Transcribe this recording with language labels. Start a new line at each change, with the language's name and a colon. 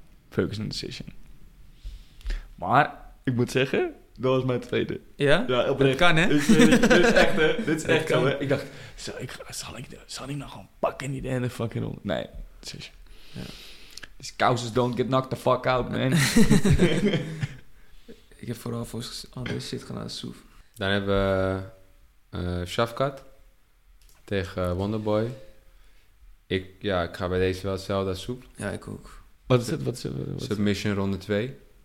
Dutch: Ferguson decision. Maar ik moet zeggen... Dat was mijn tweede. Ja? Ja, dat kan, hè? Dit is echt. Ik dacht, zal ik nou gewoon pakken in die ene fucking ronde? Nee, decision.
English: These kousen don't get knocked the fuck out, man.
Dutch: Ik heb vooral voor andere shit gedaan als Soef. Dan hebben we Shafkat tegen Wonderboy. Ik ga bij deze wel hetzelfde als Soef. Ja, ik ook. Wat is het? Submission ronde 2.